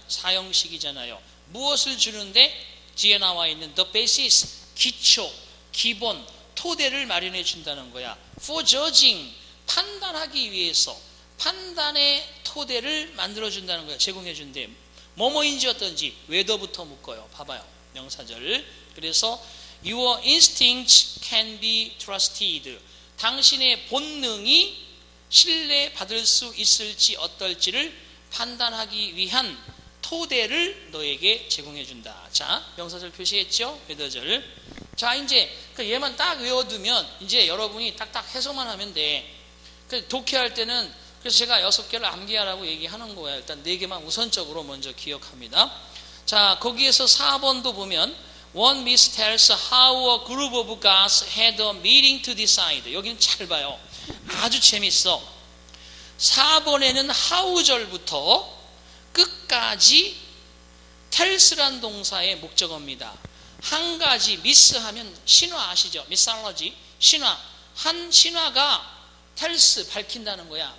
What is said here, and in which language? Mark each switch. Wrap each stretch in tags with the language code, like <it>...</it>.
<ko>4형식이잖아요. 무엇을 주는데? 뒤에 나와 있는</ko> <en>the basis,</en> <ko>기초, 기본, 토대를 마련해 준다는 거야.</ko> <en>For judging,</en> <ko>판단하기 위해서 판단의 토대를 만들어 준다는 거야. 제공해 준대. 뭐뭐인지 어떤지, whether부터 묶어요. 봐봐요. 명사절. 그래서</ko> <en>Your instincts can be trusted.</en> <ko>당신의 본능이 신뢰받을 수 있을지 어떨지를 판단하기 위한 토대를 너에게 제공해준다. 자, 명사절 표시했죠? 웨더절. 자, 이제 얘만 딱 외워두면 이제 여러분이 딱딱 해석만 하면 돼. 그래서 독해할 때는 그래서 제가 6개를 암기하라고 얘기하는 거야. 일단 4개만 우선적으로 먼저 기억합니다. 자, 거기에서 4번도 보면</ko> <en>One miss tells how a group of guys had a meeting to decide.</en> <ko>여기는 잘 봐요. 아주 재밌어. 4번에는 how절부터 끝까지 tells란 동사의 목적어입니다. 한 가지 miss하면 신화 아시죠? mythology, 신화. 한 신화가 tells, 밝힌다는 거야.</ko>